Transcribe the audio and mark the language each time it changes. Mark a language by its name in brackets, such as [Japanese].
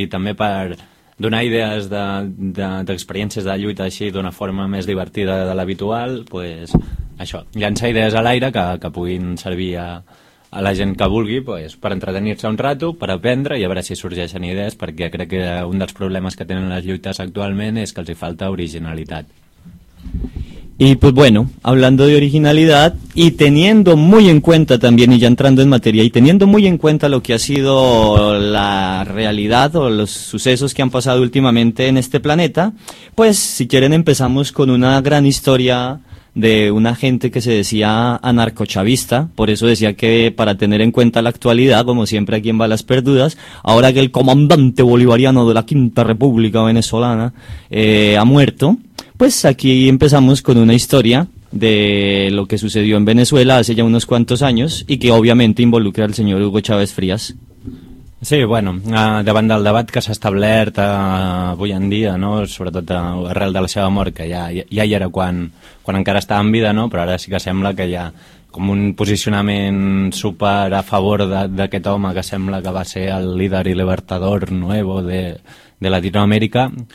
[Catalan] I també per donar idees d'experiències de lluita així d'una forma més divertida de l'habitual, pues això, llançar idees a l'aire que puguin servir a la gent que vulgui, pues, per entretenir-se [Spanish] un rato, [Catalan] per aprendre i a veure si sorgeixen idees, perquè crec que un dels problemes que tenen les lluites actualment és que els hi falta originalitat. [Spanish] Y pues bueno, hablando de originalidad y teniendo muy en cuenta también, y ya entrando en materia, y teniendo muy en cuenta lo que ha sido la realidad o los sucesos que han pasado últimamente en este planeta, pues si quieren empezamos con una gran historia de una gente que se decía anarcochavista, por eso decía que para tener en cuenta la actualidad, como siempre aquí en Balas Perdudas, ahora que el comandante bolivariano de la Quinta República Venezolana ha muerto, pues aquí empezamos con una historia de lo que sucedió en Venezuela hace ya unos cuantos años y que obviamente involucra al señor Hugo Chávez Frías. [Catalan] Sí, bueno, davant del debat que s'ha establert avui en dia, no? Sobretot arrel de la seva mort, que ja hi era quan encara estava en vida, no? Però ara sí que sembla que hi ha com un posicionament super a favor d'aquest home que sembla que va ser el líder i libertador nuevo de Latinoamèrica.